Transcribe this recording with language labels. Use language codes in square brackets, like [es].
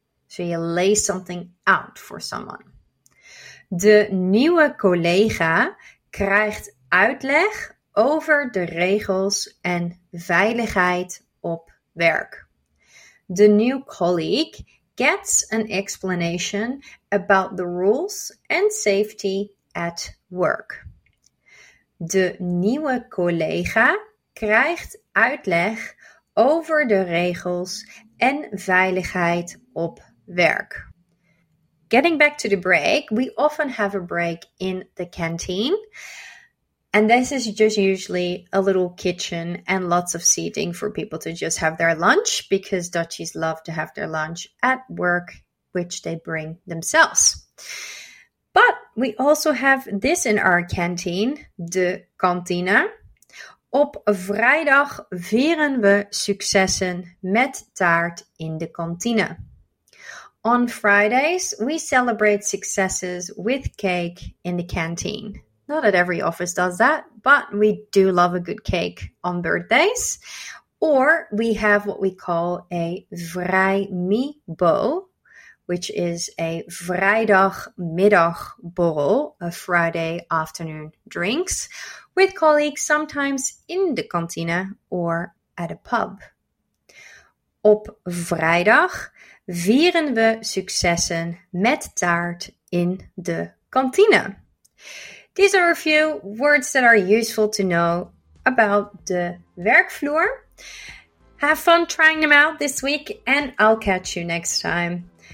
[en] So you lay something out for someone. [nl] De nieuwe collega krijgt uitleg over de regels en veiligheid op werk. [en] The new colleague gets an explanation about the rules and safety at work. [nl] De nieuwe collega krijgt uitleg over de regels en veiligheid op werk. [en] Getting back to the break, we often have a break in the canteen. And this is just usually a little kitchen and lots of seating for people to just have their lunch, because Dutchies love to have their lunch at work, which they bring themselves. But we also have this in our canteen, de kantine. [nl] Op vrijdag vieren we successen met taart in de kantine. [en] On Fridays, we celebrate successes with cake in the canteen. Not at every office does that, but we do love a good cake on birthdays. Or we have what we call a vrijmibo, which is a vrijdagmiddagborrel, a Friday afternoon drinks, with colleagues sometimes in the kantine or at a pub. [nl] Op vrijdag vieren we successen met taart in de kantine. [en] These are a few words that are useful to know about the werkvloer. Have fun trying them out this week, and I'll catch you next time.